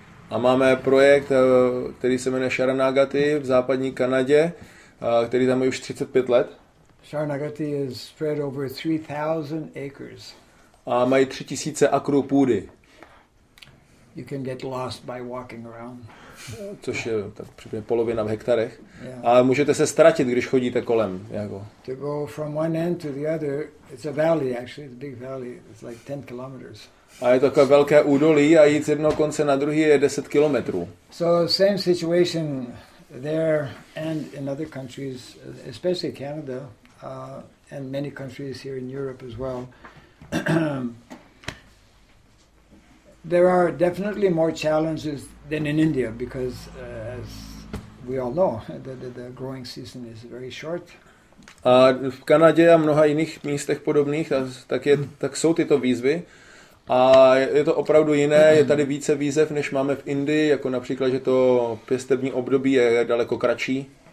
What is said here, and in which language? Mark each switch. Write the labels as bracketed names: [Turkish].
[Czech] A máme projekt, který se jmenuje Sharanagati v západní Kanadě, který tam je už 35 let. [English] Sharanagati is spread over 3,000 acres. [Czech] A mají 3,000 akrů půdy. [English] You can get lost by walking around. [Czech] Což je tak přibližně polovina v hektarech. Yeah. A můžete se ztratit, když chodíte kolem, jako. [English] To go from one end to the other, it's a valley actually, it's a big valley, it's like 10 kilometers. [Czech] A je to takové velké údolí a jít z jednoho konce na druhý je 10 kilometrů. [English] So same situation there and in other countries, especially Canada, and many countries here in Europe as well. There are definitely more challenges than in India because, as we all know, the growing season is very short. [Czech] A v Kanadě a mnoha jiných místech podobných, tak jsou tyto výzvy. A je to opravdu jiné, je tady více výzev, než máme v Indii, jako například, že to pěstební období je daleko kratší.